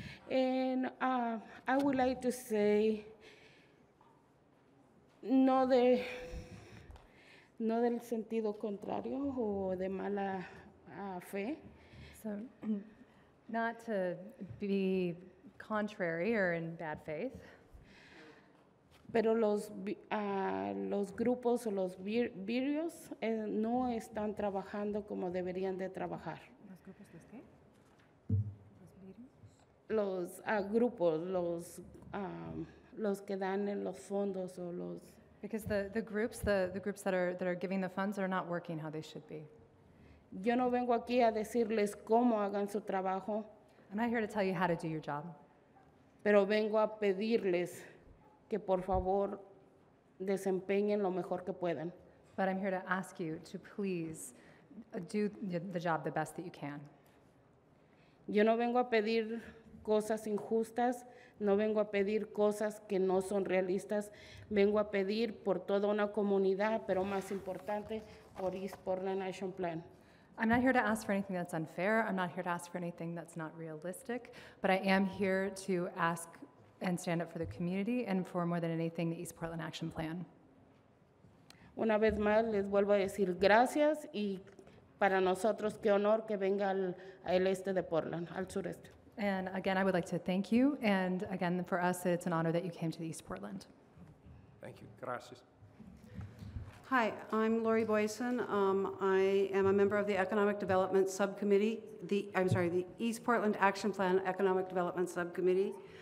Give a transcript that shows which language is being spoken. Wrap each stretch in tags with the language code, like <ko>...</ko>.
<en>And I would like to say</en> <es>no del sentido contrario o de mala fe.</es> <en>So, not to be contrary or in bad faith.</en> <es>Pero los grupos o los virus no están trabajando como deberían de trabajar. Los grupos, ¿los qué? Los virus. Los que dan en los fondos o los.</es> <en>Because the groups that are giving the funds are not working how they should be.</en> <es>Yo no vengo aquí a decirles cómo hagan su trabajo.</es> <en>I'm not here to tell you how to do your job.</en> <es>Pero vengo a pedirles que por favor desempeñen lo mejor que puedan.</es> <en>but I'm here to ask you to please do the job the best that you can.</en> <es>Yo no vengo a pedir cosas injustas, no vengo a pedir cosas que no son realistas, vengo a pedir por toda una comunidad, pero más importante, por East Portland Action Plan.</es> <en>I'm not here to ask for anything that's unfair, I'm not here to ask for anything that's not realistic, but I am here to ask and stand up for the community and for more than anything, the East Portland Action Plan.</en> <es>Una vez más, les vuelvo a decir gracias y para nosotros, qué honor que venga al este de Portland, al sureste.</es> <en>And again, I would like to thank you. And again, for us, it's an honor that you came to East Portland. Thank you. Gracias. Hi, I'm Lori Boyson. I am a member of the Economic Development Subcommittee, the East Portland Action Plan Economic Development Subcommittee.</en>